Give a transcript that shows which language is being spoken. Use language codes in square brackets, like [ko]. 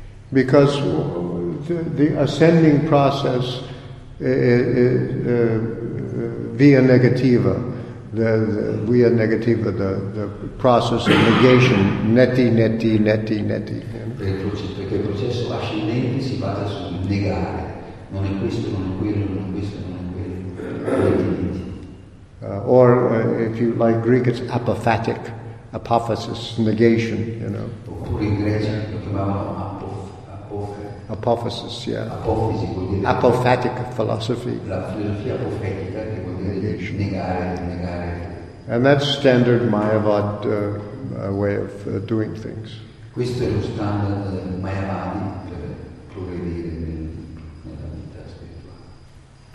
[en] Because the ascending process via negativa, the process of negation, neti, neti, neti, neti. [it] Perché il processo ascendente si basa sul negare. Non è questo, non è quello, non è questo, non è quello. [en] Or, if you like Greek, it's apophatic, apophysis, negation, you know. [it] Oppure in Grecia lo chiamavano [en] apophysis, yeah. Apophatic philosophy. [it] La filosofia apofetica che vuol dire negation. Negare. [en] And that's standard Mayavada way of doing things. [it] Questo è lo standard Mayavadi per progredire nella vita spirituale.